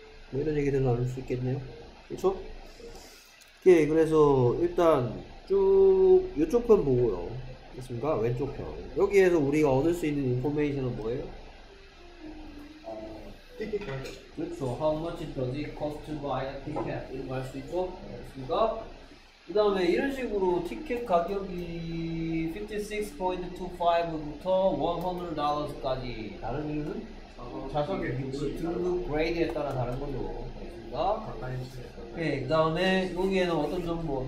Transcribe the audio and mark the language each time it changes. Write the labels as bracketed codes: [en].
[ko] 뭐 이런 얘기들 나눌 수 있겠네요. 그쵸? 오케이, 그래서 일단 쭉 이쪽 편 보고요. 됐습니까? 왼쪽 편. 여기에서 우리가 얻을 수 있는 인포메이션은 뭐예요? 티켓 가격. 그렇죠. [en] How much does it cost to buy a ticket? [ko] 이런 거 할 수 있죠? 됐습니까? 그 다음에 이런 식으로 티켓 가격이 56.25부터 $100까지 다른 이유는? 좌석의 등급 그레이드에 따라 다른 거죠. 됐습니까? 오케이, 그 다음에 여기에는 어떤 정보?